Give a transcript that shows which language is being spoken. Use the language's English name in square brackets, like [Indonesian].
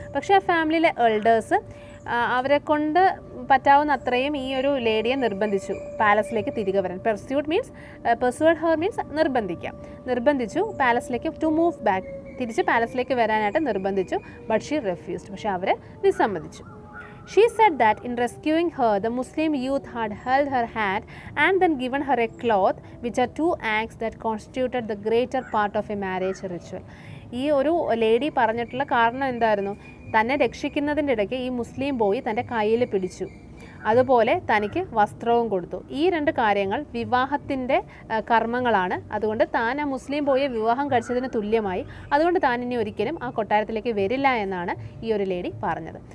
[Malayalam] പക്ഷേ ആ ഫാമിലിയിലെ എൽഡേഴ്സ് അവരെ കൊണ്ട് പറ്റാവുന്ന അത്രയും ഈ ഒരു ലേഡിയെ നിർബന്ധിച്ചു പാലസിലേക്ക് തിരികെ വരാൻ. [English] persuade means persuaded her means [Malayalam] നിർബന്ധിക്കാം, നിർബന്ധിച്ചു പാലസിലേക്ക് [English] to move back, [Malayalam] തിരിച്ച് പാലസിലേക്ക് വരാനായിട്ട് നിർബന്ധിച്ചു. [English] but she refused, [Malayalam] പക്ഷേ അവർ വിസമ്മതിച്ചു. [English] She said that in rescuing her, the Muslim youth had held her hand and then given her a cloth, which are two acts that constituted the greater part of a marriage ritual. [Malayalam] ഈ ഒരു lady പറഞ്ഞിട്ടുള്ള കാരണം എന്തായിരുന്നു, തന്നെ രക്ഷിക്കുന്നതിൻ്റെ ഇടയ്ക്ക് ഈ മുസ്ലിം boy തൻ്റെ കയ്യിൽ പിടിച്ചു, അതുപോലെ തനിക്ക് വസ്ത്രവും കൊടുത്തു. ഈ രണ്ട് കാര്യങ്ങൾ വിവാഹത്തിൻ്റെ കർമ്മങ്ങളാണ്, അതുകൊണ്ട് താൻ ആ മുസ്ലിം ബോയെ വിവാഹം കഴിച്ചതിന് തുല്യമായി, അതുകൊണ്ട് താൻ ഇനി ഒരിക്കലും ആ കൊട്ടാരത്തിലേക്ക് വരില്ല എന്നാണ് ഈ ഒരു ലേഡി പറഞ്ഞത്.